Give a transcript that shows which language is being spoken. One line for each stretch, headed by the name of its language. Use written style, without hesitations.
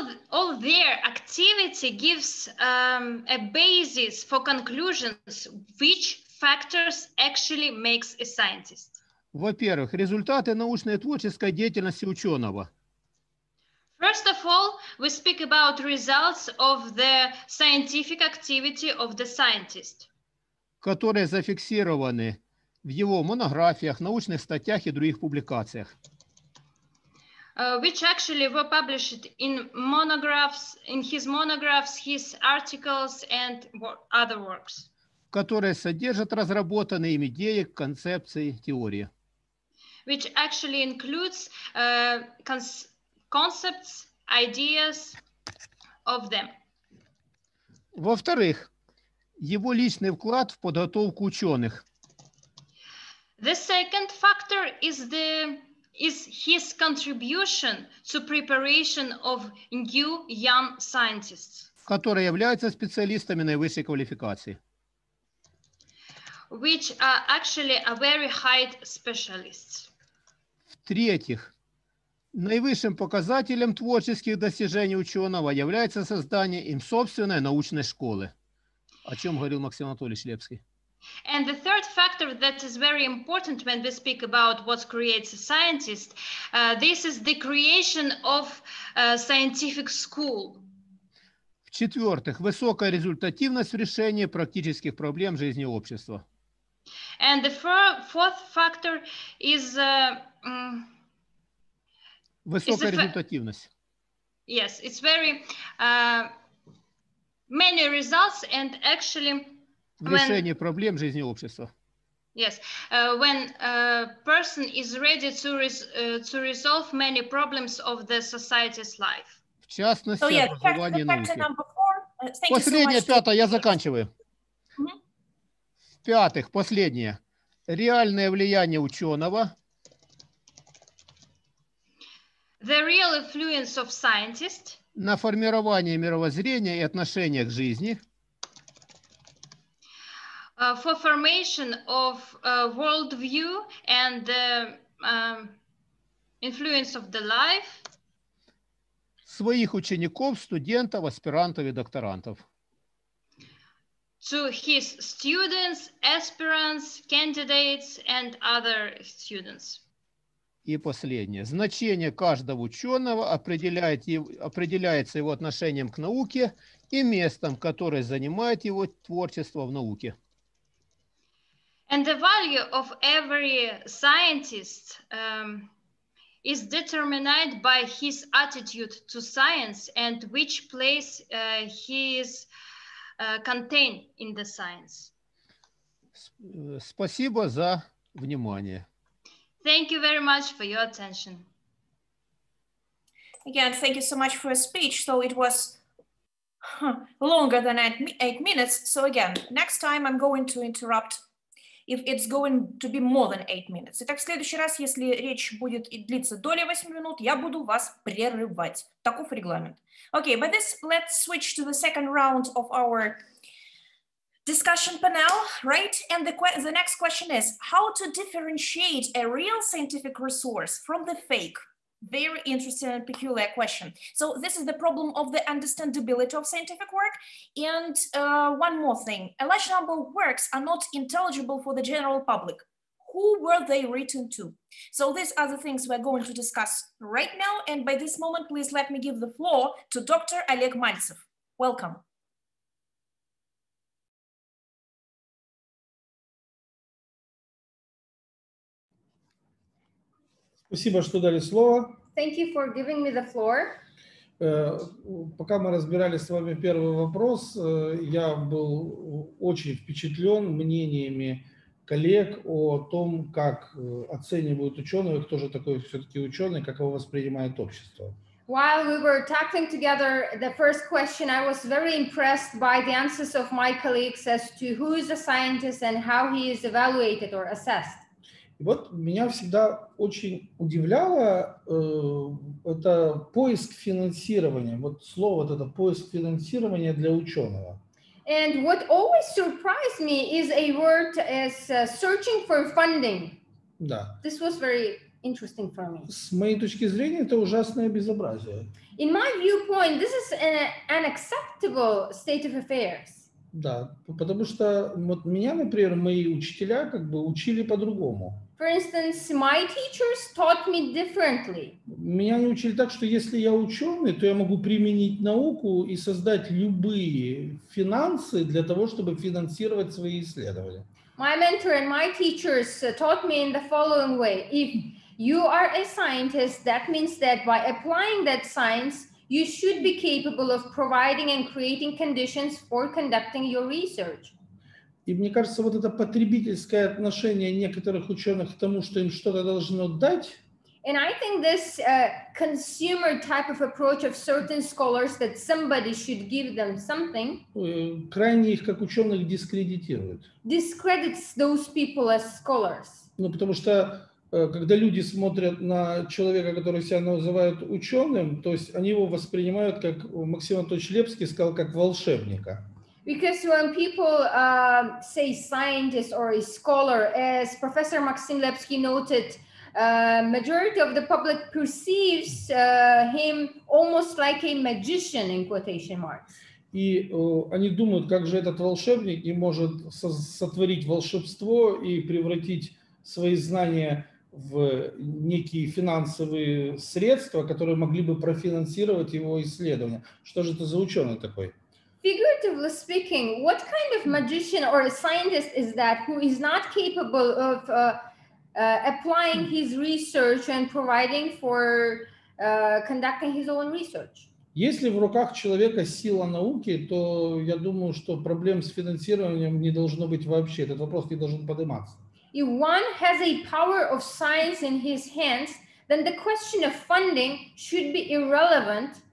English: All their activity gives a basis for conclusions which factors actually makes a scientist.
Russian: Во-первых, результаты научной и творческой деятельности ученого.
English: First of all, we speak about results of the scientific activity of the scientist.
Russian: Которые зафиксированы в его монографиях, научных статьях и других публикациях.
English: Which actually were published in monographs, in his monographs, his articles and other works.
Russian: Которые содержат разработанные им идеи, концепции, теории.
English: Which actually includes concepts, ideas of them.
Russian: Во-вторых, его личный вклад в подготовку ученых.
English: The second factor is the is his contribution to preparation of new young scientists.
Russian: Которые являются специалистами наивысшей квалификации.
English: Which are actually a very high specialists.
Russian: В-третьих, наивысшим показателем творческих достижений ученого является создание им собственной научной школы, о чем говорил Максим Анатольевич Лепский.
English: And the third factor that is very important when we speak about what creates a scientist, this is the creation of a scientific school.
Russian: В-четвертых, высокая результативность в решении практических проблем жизни общества.
English: And the fourth factor is...
Russian: Высокая результативность.
English: Yes, it's very many results and actually...
Russian: Решение проблем жизни общества.
English: Yes, when a person is ready to to resolve many problems of the society's life.
Russian: В частности, образование науки. Последнее, пятое, я заканчиваю. В-пятых, последнее. Реальное влияние ученого.
English: The real influence of scientist.
Russian: На формирование мировоззрения и отношения к жизни.
English: For formation of world view and the influence of the life.
Russian: Своих учеников, студентов, аспирантов и докторантов.
English: To his students, aspirants, candidates and other students.
Russian: И последнее. Значение каждого ученого определяется его отношением к науке и местом, которое занимает его творчество в науке.
English: And the value of every scientist is determined by his attitude to science and which place he is contained in the science.
Russian: Спасибо за внимание.
English: Thank you very much for your attention. Again, thank you so much for your speech. So it was longer than 8 minutes. So again, next time I'm going to interrupt if it's going to be more than 8 minutes.
Russian: Итак, в следующий раз, если речь будет длиться более 8 минут, я буду вас прерывать. Таков регламент.
English: Okay, by this, let's switch to the second round of our discussion panel, right? And the next question is, how to differentiate a real scientific resource from the fake? Very interesting and peculiar question. So this is the problem of the understandability of scientific work. And one more thing, a large number of works are not intelligible for the general public. Who were they written to? So these are the things we're going to discuss right now. And by this moment, please let me give the floor to Dr. Oleg Maltsev. Welcome.
Russian: Спасибо, что дали слово.
English: Thank you for giving me the floor.
Russian: Пока мы разбирали с вами первый вопрос, я был очень впечатлен мнениями коллег о том, как оценивают ученые, кто же такой все-таки ученый, как его воспринимает общество.
English: While we were talking together, the first question, I was very impressed by the answers of my colleagues as to who is a scientist and how he is evaluated or assessed.
Russian: И вот меня всегда очень удивляло это поиск финансирования, вот слово вот это поиск финансирования для ученого.
English: And what always surprised me is a word as searching for funding.
Russian: Да.
English: This was very interesting for me.
Russian: С моей точки зрения это ужасное безобразие.
English: In my viewpoint, this is an unacceptable state of affairs.
Russian: Да, потому что вот меня, например, мои учителя как бы учили по-другому.
English: For instance, my teachers taught me differently.
Russian: Меня не учили так, что если я ученый, то я могу применить науку и создать любые финансы для того, чтобы финансировать свои исследования.
English: My mentor and my teachers taught me in the following way. If you are a scientist, that means that by applying that science, you should be capable of providing and creating conditions for conducting your research.
Russian: И мне кажется, вот это потребительское отношение некоторых ученых к тому, что им что-то должно дать.
English: And I think this consumer type of approach of certain scholars that somebody should give them something.
Russian: Крайне их как ученых дискредитирует.
English: Discredits those people as scholars.
Russian: Ну, потому что когда люди смотрят на человека, который себя называет ученым, то есть они его воспринимают, как Максим Анатольевич Лепский сказал, как волшебника.
English: Because when people say scientist or a scholar, as Professor Maxim Lepsky noted, majority of the public perceives him almost like a magician, in quotation marks.
Russian: И они думают, как же этот волшебник не может сотворить волшебство и превратить свои знания в некие финансовые средства, которые могли бы профинансировать его исследования. Что же это за ученый такой?
English: Figuratively speaking, what kind of magician or a scientist is that who is not capable of applying his research and providing for conducting his own research?
Russian: Если в руках человека сила науки, то я думаю, что проблем с финансированием не должно быть вообще. Этот вопрос не должен подниматься.
English: If one has a power of science in his hands, then the question of funding should be irrelevant.